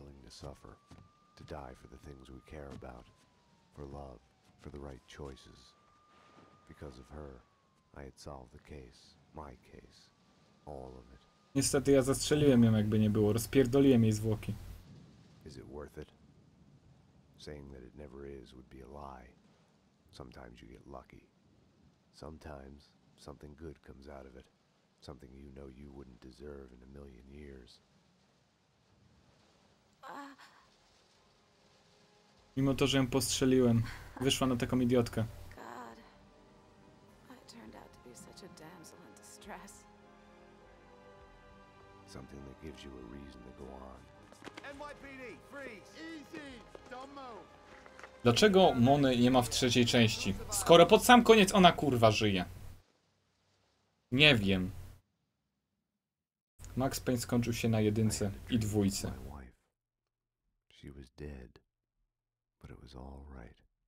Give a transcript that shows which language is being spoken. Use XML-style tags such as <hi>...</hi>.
<en>Suffer, to die for the things we care about, for love, for the right choices. Because of her, I had solved the case, my case, all of it.</en> <pl>Niestety ja zastrzeliłem ją, jakby nie było, rozpierdoliłem jej zwłoki.</pl> <en>Is it worth it? Saying that it never is would be a lie. Sometimes you get lucky. Sometimes something good comes out of it, something you know you wouldn't deserve in a million years.</en> <pl>Mimo to, że ją postrzeliłem, wyszła na taką idiotkę.</pl> <en>God. I turned out to be such a damsel in distress. Something that gives you a reason to go on. NYPD, freeze. Easy. Don't move.</en> <pl>Dlaczego Mony nie ma w trzeciej części? Skoro pod sam koniec ona kurwa żyje. Nie wiem. Max Payne skończył się na jedynce i dwójce.</pl> <en>She was dead, but it was all right.</en>